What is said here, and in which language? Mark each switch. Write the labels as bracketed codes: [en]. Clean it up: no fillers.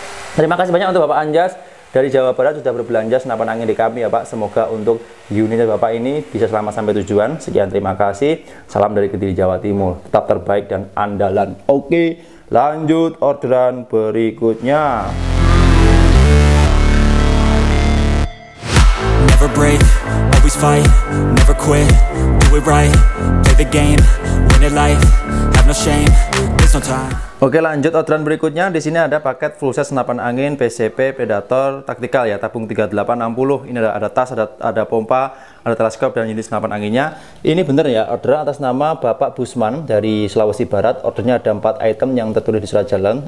[id] Terima kasih banyak untuk Bapak Anjas dari Jawa Barat sudah berbelanja senapan angin di kami ya Pak. Semoga untuk unit Bapak ini bisa selamat sampai tujuan. Sekian terima kasih. Salam dari Kediri Jawa Timur. Tetap terbaik dan andalan. Oke, lanjut orderan berikutnya. [en] Never break, always fight, never quit, do it right, play the game, win it life, have no shame, there's no time. [id] Oke, lanjut orderan berikutnya. Di sini ada paket full set senapan angin PCP Predator taktikal ya, tabung 3860. Ini ada tas, ada pompa, ada teleskop dan unit senapan anginnya. Ini benar ya, orderan atas nama Bapak Busman dari Sulawesi Barat. Ordernya ada 4 item yang tertulis di surat jalan.